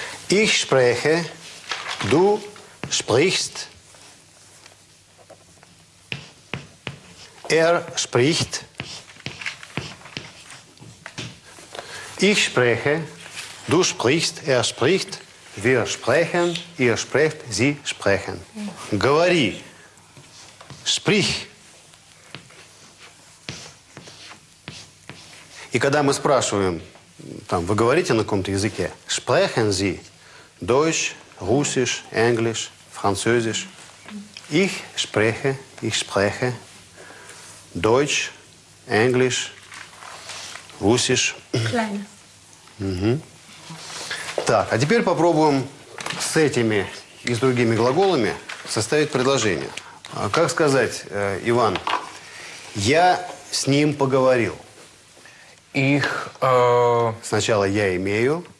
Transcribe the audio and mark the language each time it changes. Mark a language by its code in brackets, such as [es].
[de] Ich spreche, du sprichst, er spricht, ich spreche, du sprichst, er spricht, wir sprechen, ihr sprecht, sie sprechen. [ru] Говори, sprich. И когда мы спрашиваем, там, вы говорите на каком-то языке, [de] sprechen Sie. Deutsch, Russisch, Englisch, Französisch. Ich spreche, Deutsch, Englisch, Russisch. Kleine. Mhm. [ru] Так, а теперь попробуем с этими и с другими глаголами составить предложение. Как сказать, Иван, я с ним поговорил. [de] Ich... [ru] Сначала я имею.